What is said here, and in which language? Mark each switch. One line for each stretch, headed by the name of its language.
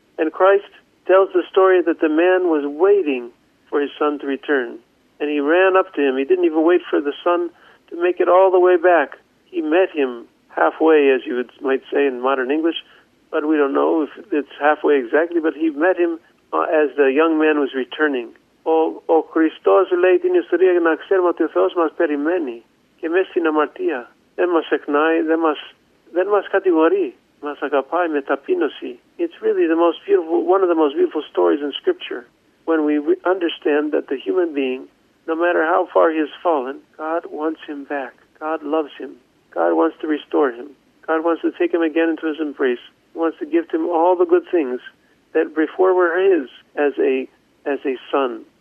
English: And Christ tells the story that the man was waiting for his son to return. And he ran up to him. He didn't even wait for the son to make it all the way back. He met him halfway, as you might say in modern English. But we don't know if it's halfway exactly. But he met him as the young man was returning.
Greek: Ο Χριστός λέει την ιστορία για να ξέρουμε ότι ο Θεός μας περιμένει και μέσα στην αμαρτία. Δεν μας εκνάει, δεν μας κατηγορεί. Μας αγαπάει με ταπείνωση.
English: It's really the most beautiful, one of the most beautiful stories in Scripture when we understand that the human being, no matter how far he has fallen, God wants him back. God loves him. God wants to restore him. God wants to take him again into his embrace. He wants to give him all the good things that before were his as a son.